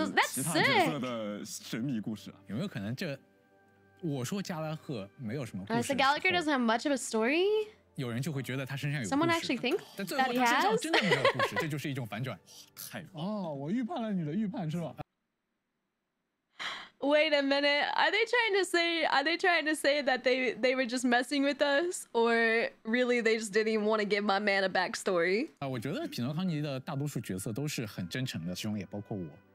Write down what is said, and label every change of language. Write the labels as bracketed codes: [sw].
[zh] 但总感觉少吉老师你在演是其他角色的神秘故事。有没有可能这, 我说加拉赫没有什么故事, [en] so Gallagher doesn't have much of a story? [zh] 有人就会觉得他身上有故事, [en] someone actually thinks that he has? [zh] 但最后他身上真的没有故事, 这就是一种反转。太棒了。我预判了你的预判是吧? [en] Wait a minute, are they trying to say that they were just messing with us, or really they just didn't even want to give my man a backstory? [zh] 我觉得匹诺康尼的大多数角色都是很真诚的，其中也包括我。